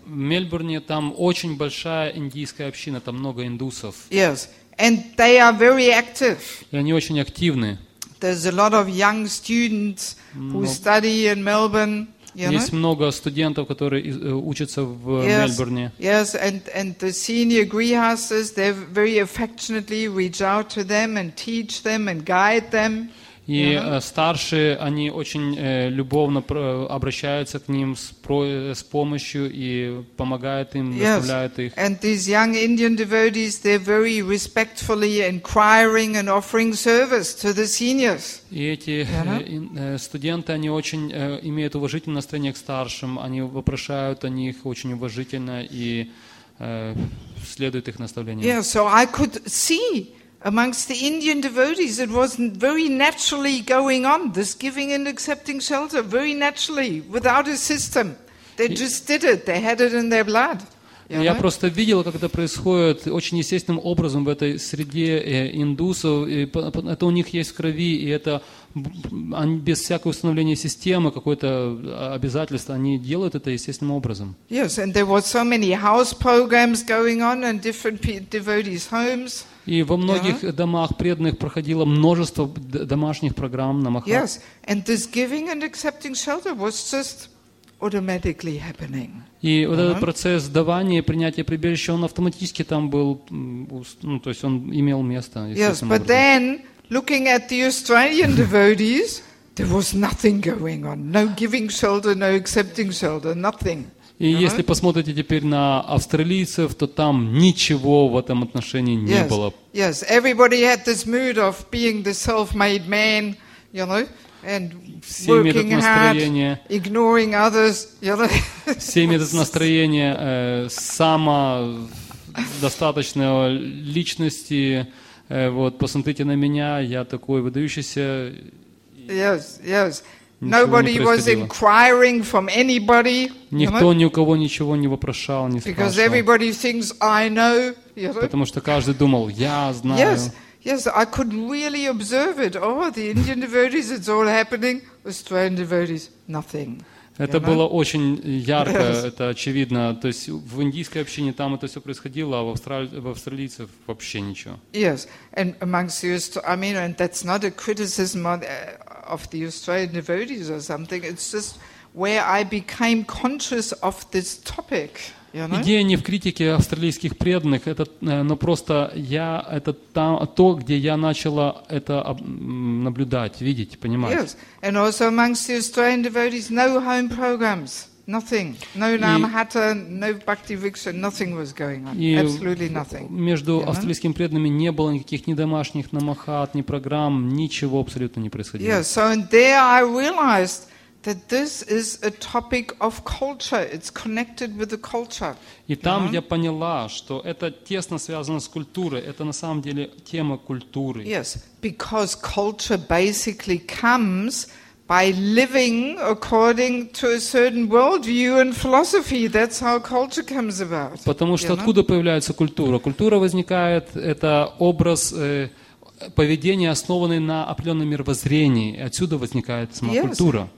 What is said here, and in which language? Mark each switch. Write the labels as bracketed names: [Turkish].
[Russian] В Мельбурне там очень большая индийская община, там много индусов. [English] Yes, and they are very active. [Russian] И они очень активны. [English] There's a lot of young students who study in Melbourne. You [Russian] есть [English] know? [Russian] Много студентов, которые учатся в Мельбурне. [English] Yes, and the senior grihasthas, they very affectionately reach out to them and teach them and guide them. [Russian] И старшие, они очень любовно обращаются к ним с помощью и помогают им, наставляют их. [English] And these young Indian devotees, they're very respectfully inquiring and offering service to the seniors. [Russian] И эти студенты, они очень имеют уважительное настроение к старшим, они вопрошают о них очень уважительно и следуют их наставлениям. [English] Yeah, so I could see Amongst the Indian devotees, it wasn't very naturally going on, this giving and accepting shelter, very naturally, without a system. They just did it, they had it in their blood. [Russian] Я просто видел, как это происходит очень естественным образом в этой среде индусов. И это у них есть в крови, и это без всякого установления системы, какое-то обязательство, они делают это естественным образом. [English] Yes, and there were so many house programs going on in different devotees' homes. [Russian] И во многих домах преданных проходило множество домашних программ на махат. [English] Yes, and this giving and accepting shelter was just automatically happening. [Russian] И вот этот процесс давания, принятия прибежища, он автоматически там был, ну, то есть он имел место. [English] Yes, but then, looking at the Australian devotees, there was nothing going on. No giving shelter, no accepting shelter, nothing. [Russian] И если посмотрите теперь на австралийцев, то там ничего в этом отношении не было. [English] Yes, everybody had this mood of being the self-made man, you know, and working hard, ignoring others. [Russian] Все имеют это настроение самодостаточной личности. Вот, посмотрите на меня, я такой выдающийся. [English] Yes, yes. Nobody was inquiring from anybody. [Russian] Никто ни у кого ничего не вопрошал, не спрашивал. [English] Because everybody thinks I know. [Russian] Потому что каждый думал, я знаю. [English] Yes, yes, I could really observe it. Oh, the Indian devotees, it's all happening. Australian devotees, nothing. [Russian] Это было очень ярко, это очевидно. То есть в индийской общине там это все происходило, а в австралийцев вообще ничего. [English] Yes, and amongst the Australians, I mean, and that's not a criticism of the Australian devotees or something. It's just where I became conscious of this topic. [Russian] Идея не в критике австралийских преданных, это, но просто я это там, то, где я начала это наблюдать, видеть, понимать. [English] Yes, and also amongst the Australian devotees, no home programs, nothing, no namahata, no bhakti viksha, nothing was going on, absolutely nothing. [Russian] Между австралийскими преданными не было никаких ни домашних намахат, ни программ, ничего абсолютно не происходило. [English] Yes, so and there I realized that this is a topic of culture. It's connected with the culture. [Russian] И там я поняла, что это тесно связано с культурой. Это на самом деле тема культуры. [English] Yes, because culture basically comes by living according to a certain worldview and philosophy. That's how culture comes about. [Russian] Потому что откуда появляется культура? Культура возникает, это образ поведение, основанное на определенном мировоззрении. Отсюда возникает сама культура.